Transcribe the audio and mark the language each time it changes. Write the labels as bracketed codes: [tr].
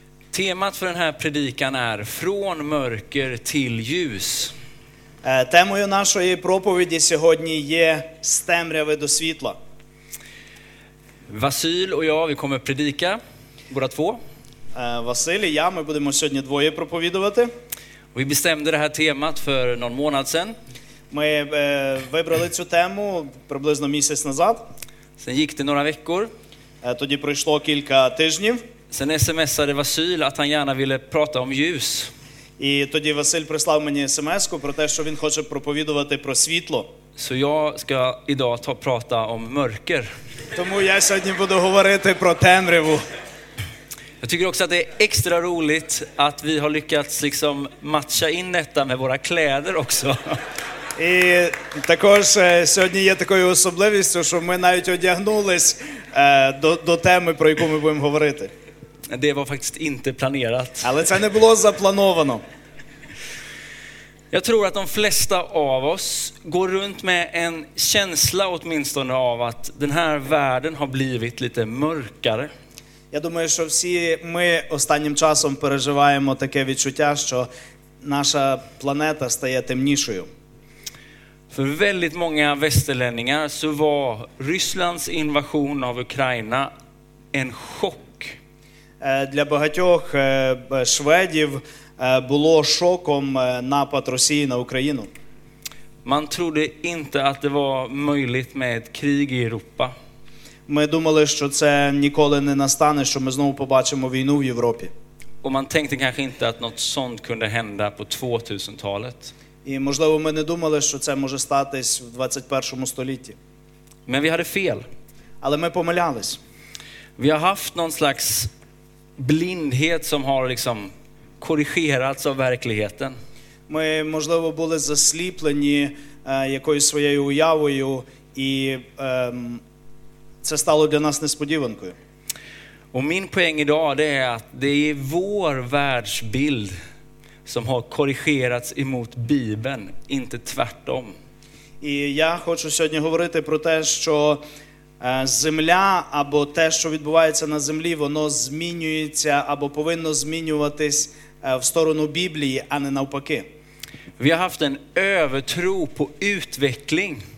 [sv] Temat för den här predikan är från mörker till ljus. [uk] Темою нашої проповіді сьогодні є з темряви до світла. [sv] Василь och jag, vi kommer predika båda två. [uk] Василь і я, ми будемо сьогодні двоє проповідувати. [sv] Vi bestämde det här temat för någon månad sen. [uk] Ми вибрали цю тему приблизно місяць назад. [sv] Sen gick det några veckor. [uk] Тоді пройшло кілька тижнів. [sv] Sen smsade Василь att han gärna ville prata om ljus. [uk] І тоді Василь прислав мені смс-ку про те, що він хоче проповідувати про світло. [sv] Så jag ska idag ta prata om mörker. [uk] Тому я сьогодні буду говорити про темряву. [sv] Jag tycker också att det är extra roligt att vi har lyckats liksom matcha in detta med våra kläder också. [uk] І також сьогодні є такою особливістю, що ми навіть одягнулись до теми, про яку ми будемо говорити. [sv] Det var faktiskt inte planerat. [uk] Але це не було заплановано. [sv] Jag tror att de flesta av oss går runt med en känsla åtminstone av att den här världen har blivit lite mörkare. [uk] Я думаю, що всі ми останнім часом переживаємо таке відчуття, що наша планета стає темнішою. [sv] För väldigt många västerlänningar så var Rysslands invasion av Ukraina en chock. [uk] Для багатьох шведів було шоком напад Росії на Україну. [sv] Man trodde inte att det var möjligt med ett krig i Europa. [uk] Ми думали, що це ніколи не настане, що ми знову побачимо війну в Європі. [sv] Och man tänkte kanske inte att något sånt kunde hända på 2000-talet. [uk] І, можливо, ми не думали, що це може статись в 21-му столітті. [sv] Men vi hade fel. [uk] Але ми помилялись. [sv] Vi har haft någon slags blindhet som har liksom korrigerats av verkligheten. [uk] Ми, можливо, були засліплені якоюсь своєю уявою, і це стало для нас несподіванкою. [sv] Och min poäng idag det är att det är vår världsbild som har korrigerats emot Bibeln, inte tvärtom. [uk] І я хочу сьогодні говорити про те, що земля або те, що відбувається на землі, воно змінюється або повинно змінюватись в сторону Біблії, а не навпаки. [sv] Vi har haft en övertro på utveckling.